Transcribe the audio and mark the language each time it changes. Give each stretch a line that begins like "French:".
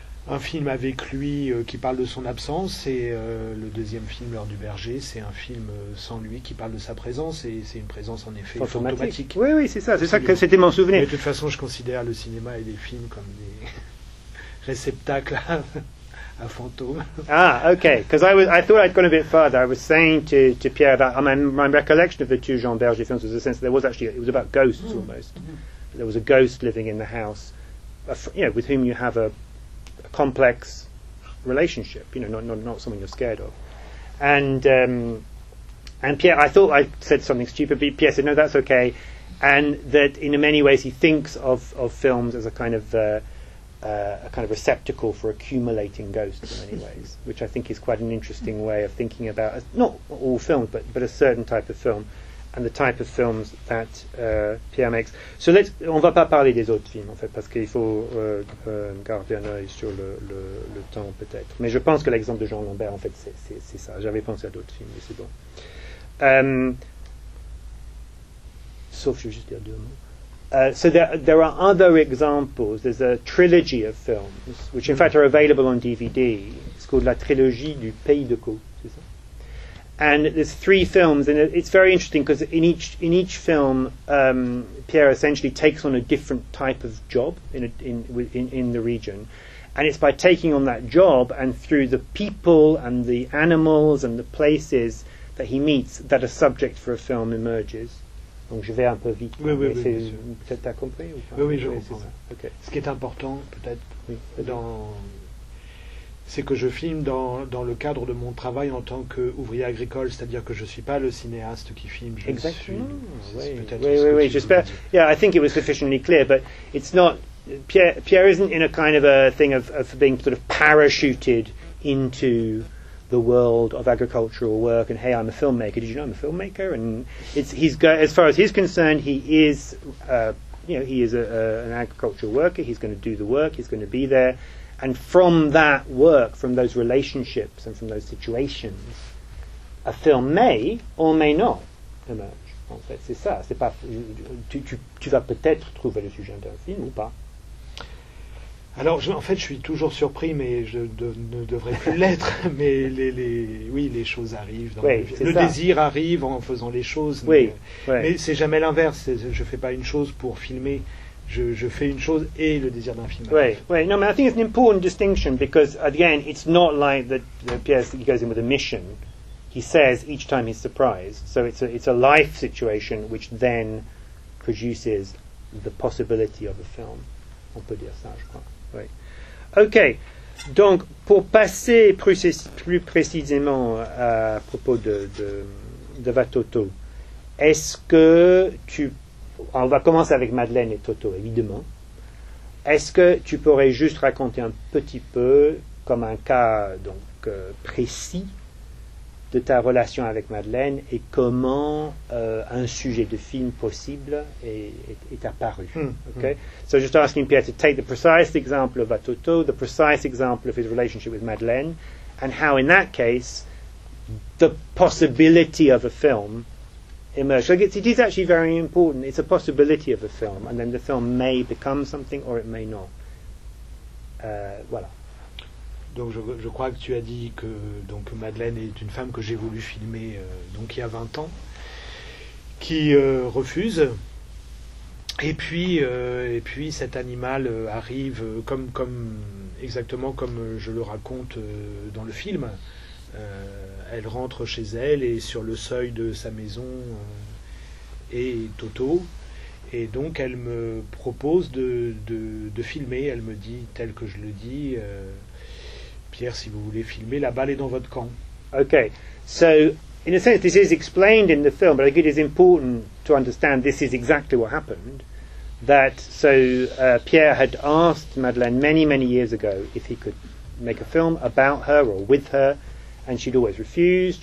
French: Un film avec lui qui parle de son absence, et le deuxième film, L'heure du berger, c'est un film sans lui qui parle de sa présence, et c'est une présence en effet fantomatique. Oui, c'est ça que c'était mon souvenir. Mais de toute façon, je considère le cinéma et les films comme des réceptacles à fantômes. Ah, ok.
English: Because I thought I'd gone a bit further. I was saying to Pierre about my recollection of the two Jean Berger films was the sense that there was actually, it was about ghosts almost. Mm-hmm. There was a ghost living in the house, with whom you have a complex relationship, not someone you're scared of, and Pierre, I thought I said something stupid, but Pierre said no, that's okay, and that in many ways he thinks of films as a kind of receptacle for accumulating ghosts in many ways, which I think is quite an interesting way of thinking about not all films, but a certain type of film, and the type of films that Pierre makes.
French: So on va pas parler des autres films, en fait, parce qu'il faut garder un œil sur le temps, peut-être. Mais je pense que l'exemple de Jean Lambert, en fait, c'est ça. J'avais pensé à d'autres films, mais c'est bon. Sauf, je vais juste dire deux mots.
English: So there are other examples. There's a trilogy of films, which in fact are available on DVD. It's called La Trilogie du Pays de Caux. And there's three films, and it's very interesting because in each film, Pierre essentially takes on a different type of job in the region, and it's by taking on that job and through the people and the animals and the places that he meets that a subject for a film emerges.
French: Donc je vais un peu vite. Peut-être t'as compris. Oui, je comprends. Okay. Ce qui est important, peut-être, c'est que je filme dans le cadre de mon travail en tant qu'ouvrier agricole, c'est-à-dire que je ne suis pas le cinéaste qui filme. Exactement. J'espère.
English: Yeah, I think it was sufficiently clear, but it's not. Pierre isn't in a kind of a thing of being sort of parachuted into the world of agricultural work. And hey, I'm a filmmaker. Did you know I'm a filmmaker? And as far as he's concerned, he is, he is an agricultural worker. He's going to do the work. He's going to be there. And from that work, from those relationships and from those situations, a film may or may not emerge.
French: En fait, c'est ça. C'est pas. Tu vas peut-être trouver le sujet d'un film ou pas. Alors, je suis toujours surpris, mais je ne devrais plus l'être. Mais les choses arrivent. Le désir arrive en faisant les choses. Mais c'est jamais l'inverse. Je fais pas une chose pour filmer. Je fais une chose et le désir d'un film.
English: I think it's an important distinction because, again, it's not like the Pierre goes in with a mission. He says each time he's surprised. So it's a life situation which then produces the possibility of a film.
French: On peut dire ça, je crois. Oui. Ok. Donc, pour passer plus précisément à propos de Watoto, est-ce que tu peux... On va commencer avec Madeleine et Toto, évidemment. Est-ce que tu pourrais juste raconter un petit peu, comme un cas précis, de ta relation avec Madeleine et comment un sujet de film possible est apparu?
English: So just asking Pierre to take the precise example of Toto, the precise example of his relationship with Madeleine, and how in that case, the possibility of a film emerge. So it is actually very important. It's a possibility of a film, and then the film may become something or it may not.
French: Voilà. Donc je crois que tu as dit que donc Madeleine est une femme que j'ai voulu filmer donc il y a 20 ans, qui refuse. Et puis cet animal arrive comme exactement comme je le raconte dans le film. Elle rentre chez elle et sur le seuil de sa maison est Toto. Et donc elle me propose de filmer. Elle me dit tel que je le dis. Pierre, si vous voulez filmer, la balle est dans votre camp. Okay.
English: So, in a sense, this is explained in the film, but I think it is important to understand this is exactly what happened. That, so, Pierre had asked Madeleine many, many years ago if he could make a film about her or with her, and she'd always refused.